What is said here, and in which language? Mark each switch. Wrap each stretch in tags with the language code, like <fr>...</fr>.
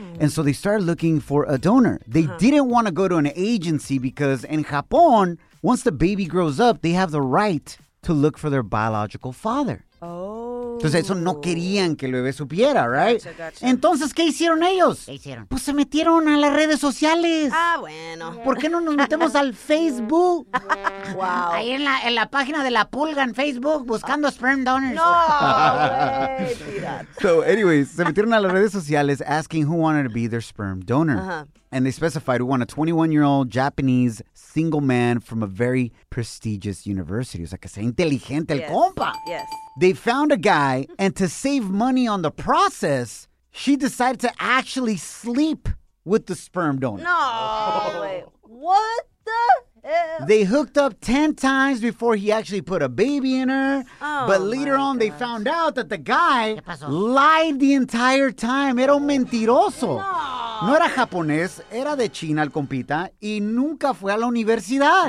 <en>And so they started looking for a donor. They didn't want to go to an agency because in Japón, once the baby grows up, they have the right to look for their biological father. Oh.</en> <es>Entonces, eso no querían que el bebé supiera, right?</es> <en>Gotcha.</en> <es>Entonces, ¿qué hicieron ellos? ¿Qué hicieron? Pues se metieron a las redes sociales. Ah, bueno. Yeah. ¿Por qué no nos metemos al Facebook?</es> <en>Wow.</en> <es>Ahí en la página de la pulga en Facebook, buscando sperm donors. No.</es> <en>So, anyways,</en> <es>se metieron a las redes sociales</es> <en>asking who wanted to be their sperm donor. And they specified who wanted a 21-year-old Japanese single man from a very prestigious university.</en> <es>O sea, que sea inteligente el compa.</es> <en>Yes. They found a guy, and to save money on the process, she decided to actually sleep with the sperm donor. No. What the hell? They hooked up 10 times before he actually put a baby in her. Oh, but later on, they found out that the guy lied the entire time.</en> <es>Era un mentiroso. No era japonés, era de China el compita, y nunca fue a la universidad.</es>